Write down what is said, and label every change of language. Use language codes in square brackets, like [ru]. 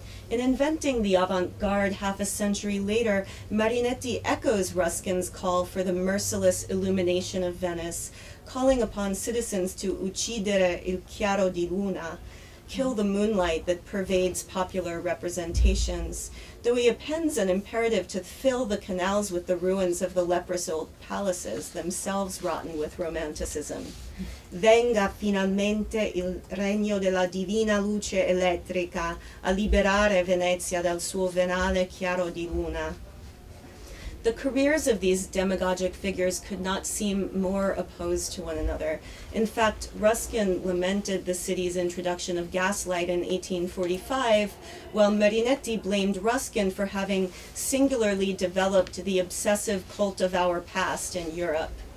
[en] In inventing the avant-garde half a century later, Marinetti echoes Ruskin's call for the merciless illumination of Venice, calling upon citizens to [it] uccidere il chiaro di luna, [en] kill the moonlight that pervades popular representations, though he appends an imperative to fill the canals with the ruins of the leprous old palaces themselves rotten with romanticism. [it] Venga finalmente il regno della divina luce elettrica a liberare Venezia dal suo venale chiaro di luna. [en] The careers of these demagogic figures could not seem more opposed to one another. In fact, Ruskin lamented the city's introduction of gaslight in 1845, while Marinetti blamed Ruskin for having singularly developed the obsessive cult of our past in Europe.